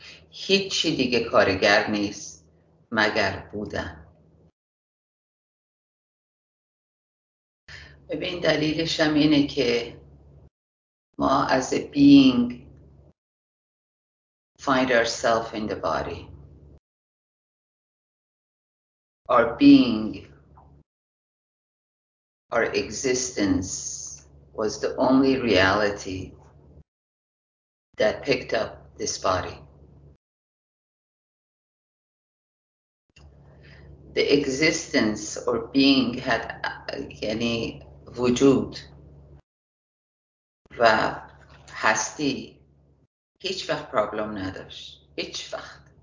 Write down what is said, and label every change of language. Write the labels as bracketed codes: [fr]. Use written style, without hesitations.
[fa] هیچی دیگه کارگر نیست مگر بودن. ببین دلیلش هم اینه که ما از [en] being find ourselves in the body. Our being, our existence, was the only reality that picked up this body. The existence or being had any [fa] وجود و هستی هیچ وقت پرابلم نداشت. هیچ وقت.